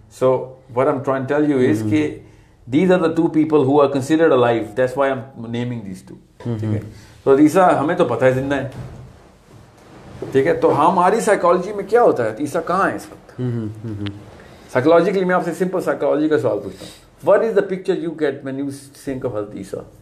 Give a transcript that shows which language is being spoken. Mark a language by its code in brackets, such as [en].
[en] So what I am trying to tell you is कि These are the two people who are considered alive. That's why I'm naming these two. Mm-hmm. [hi] So, Isa, हमें तो पता है जिंदा है. ठीक है, तो हमारी साइकोलॉजी में क्या होता है? ईसा कहाँ है इस वक्त? साइकोलॉजिकली मैं आपसे सिंपल साइकोलॉजी का सवाल पूछता हूँ. [en] What is the picture you get when you think of Isa?